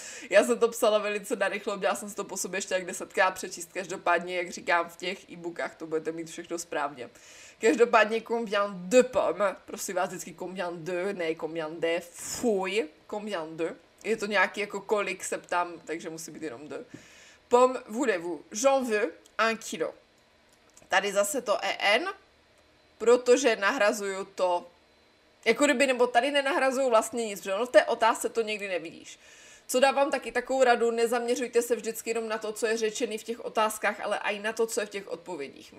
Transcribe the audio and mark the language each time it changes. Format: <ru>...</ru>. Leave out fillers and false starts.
<cs>Já jsem to psala velice narychlo, měla jsem si to po sobě ještě jak desetkrát přečíst, každopádně, jak říkám, v těch e-bookách to budete mít všechno správně. Každopádně</cs> <fr>combien de pommes,</fr> <cs>prosím vás, vždycky combien de, ne combien de, fuj, combien de, je to nějaký jako kolik se ptám, takže musí být jenom de.</cs> <fr>Pommes voulez-vous, j'en veux un kilo.</fr> <cs>Tady zase to en, protože nahrazuju to, jako kdyby, nebo tady nenahrazuju vlastně nic, protože no v té otázce to někdy nevidíš. Co dávám taky takovou radu, nezaměřujte se vždycky jenom na to, co je řečený v těch otázkách, ale i na to, co je v těch odpovědích.</cs>